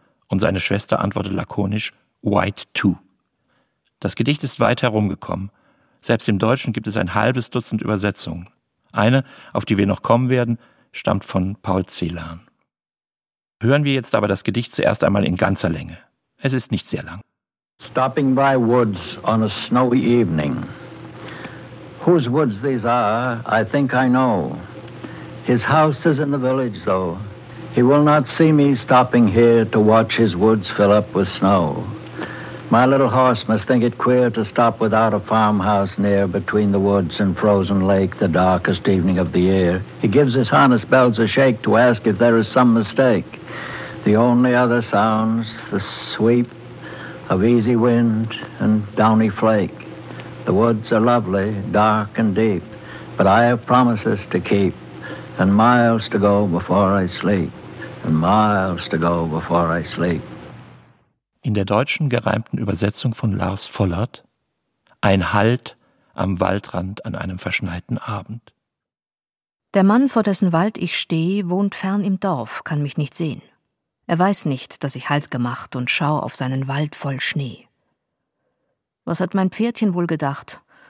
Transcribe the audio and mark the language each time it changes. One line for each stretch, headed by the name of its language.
German: Und seine Schwester antwortet lakonisch,
English: white too.
German: Das Gedicht ist weit herumgekommen. Selbst im Deutschen gibt es ein halbes Dutzend Übersetzungen. Eine, auf die wir noch kommen werden, stammt von Paul Celan. Hören wir jetzt aber das Gedicht zuerst einmal in ganzer Länge. Es ist nicht sehr lang.
English: Stopping by woods on a snowy evening. Whose woods these are, I think I know. His house is in the village though. He will not see me stopping here to watch his woods fill up with snow. My little horse must think it queer to stop without a farmhouse near between the woods and frozen lake the darkest evening of the year. He gives his harness bells a shake to ask if there is some mistake. The only other sounds, the sweep of easy wind and downy flake. The woods are lovely, dark and deep, but I have promises to keep and miles to go before I sleep. Miles to go before I sleep.
German: In der deutschen gereimten Übersetzung von Lars Vollert: Ein Halt am Waldrand an einem verschneiten Abend. Der Mann, vor dessen Wald ich stehe, wohnt fern im Dorf, kann mich nicht sehen. Er weiß nicht, dass ich Halt gemacht und schau auf seinen Wald voll Schnee. Was hat mein Pferdchen wohl gedacht?